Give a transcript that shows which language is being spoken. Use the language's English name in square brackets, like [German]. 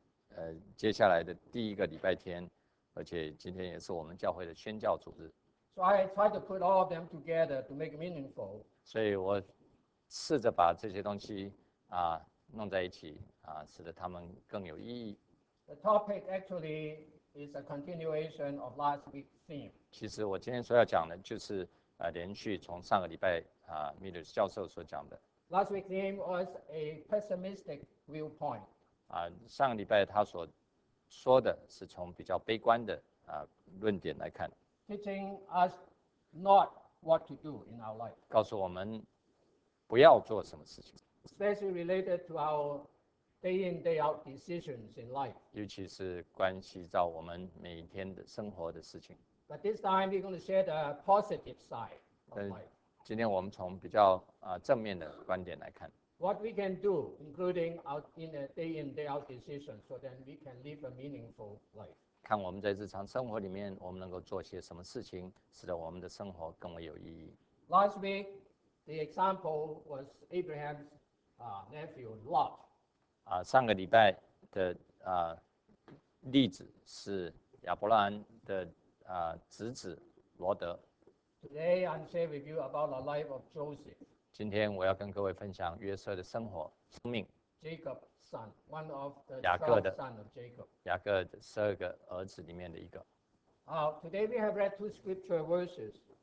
[Chinese] 这个今天是特别的日子，因为今天是感恩节，接下来的第一个礼拜天。而且今天也是我们教会的宣教主日。So [English] I try to put all of them together to make it meaningful. [Chinese] 所以我试着把这些东西弄在一起，使得他们更有意义。The [English] topic actually is a continuation of last week's theme. [Chinese] 其实我今天所要讲的就是连续从上个礼拜Meaders教授所讲的。Last [English] week's theme was a pessimistic viewpoint. [Chinese] 上个礼拜他所说的是从比较悲观的 论点来看, [English] teaching us not what to do in our life. [Chinese] 告诉我们不要做什么事情, [English] especially related to our day in, day out decisions in life. [Chinese] 尤其是关系到我们每天的生活的事情。 [English] But this time we're going to share the positive side of life. [Chinese] 今天我们从比较正面的观点来看。 [English] What we can do, including out in a day in day out decision, so then we can live a meaningful life. [Chinese] 看我们在日常生活里面，我们能够做些什么事情，使得我们的生活更为有意义。 [English] Last week, the example was Abraham's nephew Lot. [Chinese] 上个礼拜的例子是亚伯兰的侄子罗德。 [English] Today I'm sharing with you about the life of Joseph. [Chinese] 今天我要跟各位分享约瑟的生活、生命。 [English] Jacob's son, one of the 12 sons of Jacob. [Chinese] 雅各的十二个儿子里面的一个。 [English] Today we have read two scripture verses.